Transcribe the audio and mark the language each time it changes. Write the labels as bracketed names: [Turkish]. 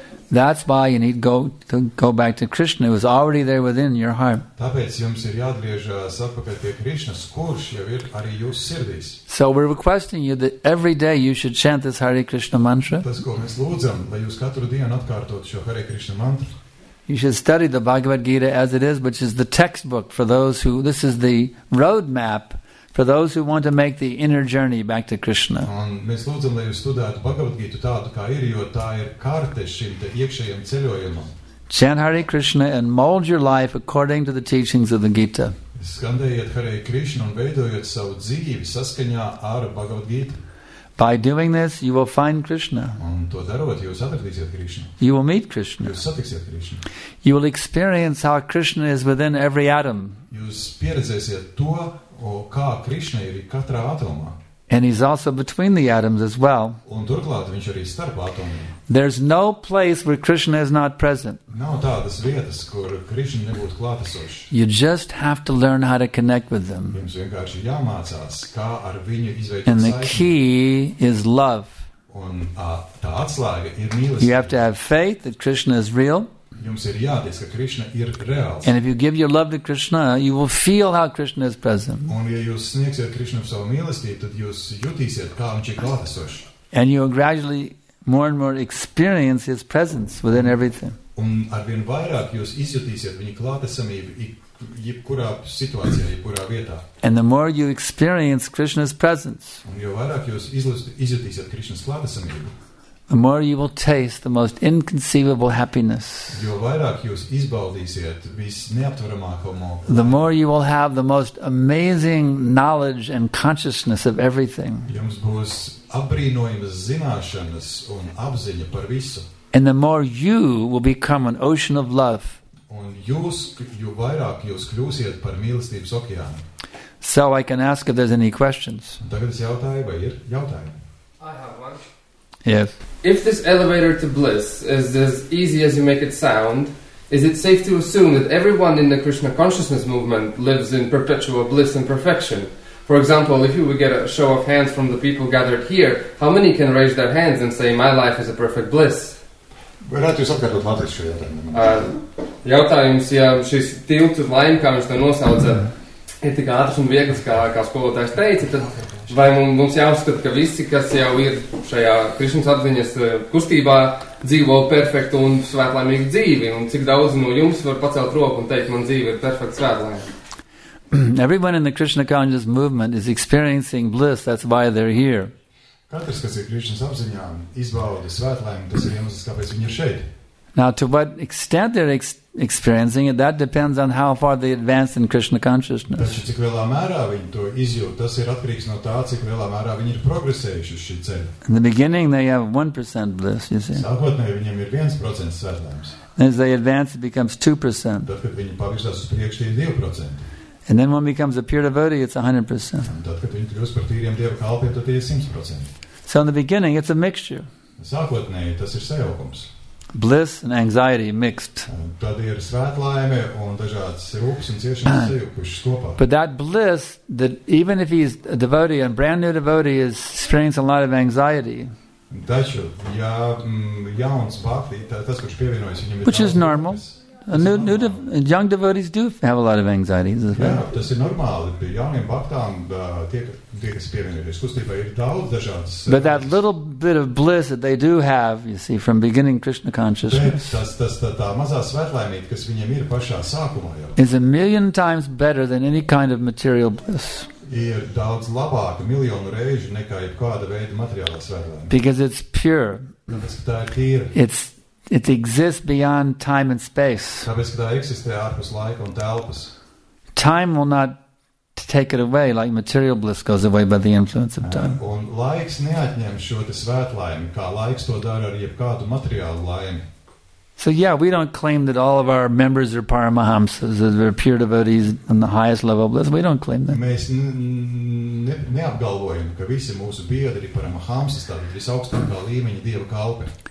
[English] That's why you need to go back to Krishna, who is already there within your heart. [Latvian] Tāpēc jums ir jāatgriežas atpakaļ pie Krishnas, kurš jau ir arī jūsu sirdīs. [English] So we're requesting you that every day you should chant this Hare Krishna mantra. [Latvian] Tas, ko mēs lūdzam, lai jūs katru dienu atkārtotu šo Hare Krishna mantru. [English] You should study the Bhagavad Gita as it is, which is the textbook for those who, this is the roadmap for those who want to make the inner journey back to Krishna. [Latvian] Un mēs lūdzam, lai jūs studētu Bhagavad Gītu tādu, kā ir, jo tā ir karte šim te iekšējiem ceļojumam. [English] Chant Hare Krishna and mold your life according to the teachings of the Gita. [Latvian] Skandējiet Hare Krishna un veidojiet savu dzīvi saskaņā ar Bhagavad Gītu. [English] By doing this, you will find Krishna. [Latvian] Un to darot, jūs atradīsiet Krishna. [English] You will meet Krishna. [Latvian] Jūs satiksiet Krishna. [English] You will experience how Krishna is within every atom. [Latvian] Jūs pieredzēsiet to, o kā Krishna ir katrā atomā. [English] And he's also between the atoms as well. [Latvian] Un turklāt viņš arī starp atomiem. [English] There's no place where Krishna is not present. [Latvian] Nav tādas vietas, kur Krishna nebūtu klātesošs. [English] You just have to learn how to connect with them. [Latvian] Jums vienkārši jāmācās, kā ar viņu izveidot saikni. [English] And the key is love. [Latvian] Un tā atslēga ir mīlestība. [English] You have to have faith that Krishna is real. [Latvian] Jums ir jāties, ka Krishna ir reāls. [English] And if you give your love to Krishna, you will feel how Krishna is present. [Latvian] Un ja jūs sniegsiet Krishna savu mīlestību, tad jūs jutīsiet, kā viņš ir klātesošs. [English] And you will gradually more and more experience his presence within everything. [Latvian] Un arvien vairāk jūs izjutīsiet viņa klātesamību jebkurā situācijā, jebkurā vietā. [English] And the more you experience Krishna's presence, [Latvian] un jo vairāk jūs izjutīsiet Krishna's klātesamību, [English] the more you will taste the most inconceivable happiness. [Latvian] Jo vairāk jūs izbaudīsiet visneaptveramāko mūžu. [English] The more you will have the most amazing knowledge and consciousness of everything. [Latvian] Jums būs apbrīnojamas zināšanas un apziņa par visu. [English] And the more you will become an ocean of love. [Latvian] Un jūs, jo vairāk jūs kļūsiet par mīlestības okeānu. [English] So I can ask if there's any questions. [Latvian] Tagad es jautāju, vai ir jautājumi? [English] Yes. If this elevator to bliss is as easy as you make it sound, is it safe to assume that everyone in the Krishna consciousness movement lives in perpetual bliss and perfection? For example, if you would get a show of hands from the people gathered here, how many can raise their hands and say, my life is a perfect bliss? [Latvian] Varētu jūs atkārtot vēlreiz šo jautājumu? Jautājums, ja šis tilts uz laimi, kā viņš to nosauca, ir tik ātrs un viegls, kā skolotājs teica, tad Vai mums jāuzskata, ka visi, kas jau ir šajā Krišnas atziņas kustībā, dzīvo perfektu un svētlaimīgu dzīvi? Un cik daudz no jums var pacelt roku un teikt, man dzīve ir perfekta svētlaimīga? [English] Everyone in the Krishna consciousness movement is experiencing bliss, that's why they're here. [Latvian] Katrs, kas ir Krišnas apziņā, izbauda svētlaimi, tas ir iemesls, kāpēc viņi ir šeit. [English] Now, to what extent they're experiencing it, that depends on how far they advance in Krishna consciousness. [Latvian] Taču, cik lielā mērā viņi to izjūt, tas ir atkarīgs no tā, cik lielā mērā viņi ir progresējuši uz šī ceļa. [English] In the beginning, they have 1% bliss, you see. [Latvian] Sākotnē, viņiem ir 1% svētlaimes. [English] As they advance, it becomes 2%. [Latvian] Tad, kad viņi pavirzās uz priekšu, tie ir 2%. [English] And then one becomes a pure devotee, it's 100%. [Latvian] Tad, kad viņi kļūst par tīriem Dieva kalpiem, tad tie ir 100%. [English] So in the beginning, it's a mixture. [Latvian] Sākotnēji, tas ir sajaukums. [English] Bliss and anxiety mixed. [Latvian] Tad ir svētlaime un dažādas rūpes un ciešanas sajaukušas kopā. [English] But that bliss, that even if he's a devotee, a brand new devotee, is experiencing a lot of anxiety. [Latvian] Taču, ja jauns bhakti, tas, kurš pievienojas, viņam ir [English] which is normal. A new young devotees do have a lot of anxieties as well. [Latvian] Jā, tas ir normāli. Pie jauniem baktām, tie, kas pievienojas kustībā, ir daudz dažādas. [English] But that little bit of bliss that they do have, you see, from beginning Krishna consciousness, [Latvian] tā mazā svētlaimība, kas viņiem ir pašā sākumā jau, [English] is a million times better than any kind of material bliss. [Latvian] Ir daudz labāka miljonu reižu nekā jebkāda veida materiālā svētlaimība. [English] Because it's pure. [Latvian] Tāpēc, ka tā ir tīra. [English] It exists beyond time and space. [Latvian] Tāpēc, ka tā eksistē ārpus laika un telpas. [English] Time will not take it away like material bliss goes away by the influence of time. [Latvian] Un laiks neatņem šo te svētlaimi, kā laiks to dara ar jebkādu materiālu laimi. [English] So yeah, we don't claim that all of our members are paramahamsas, that we're pure devotees on the highest level of bliss. We don't claim that. [Latvian] Mēs neapgalvojam, ka visi mūsu biedri paramahamsas, tātad visaugstākā līmeņa Dieva kalpi.